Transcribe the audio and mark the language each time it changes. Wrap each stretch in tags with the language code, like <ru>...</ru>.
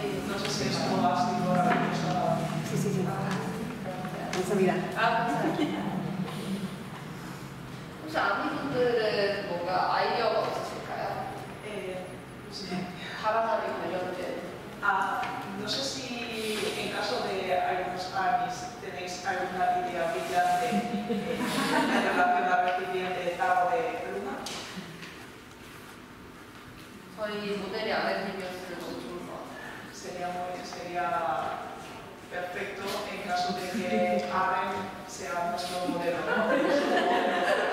<es>No sé si esto ha sido la respuesta. Sí, sí, sí. Mucha vida.</es> <ko>Ah, 혹시 아미분들은 뭔가 아이디어가 없으실까요? 예, 혹시 바람이 관련된?</ko> <es>아, no sé si en caso de algunos ARMYs tenéis alguna idea brillante en relación a la recipiente de tarro de luna?</es> <ko>저희 모델이 아미분이었으면 너무 좋을 것 같아요.</ko> <es>Sería perfecto en caso de que ARM sea nuestro modelo, ¿no?</es>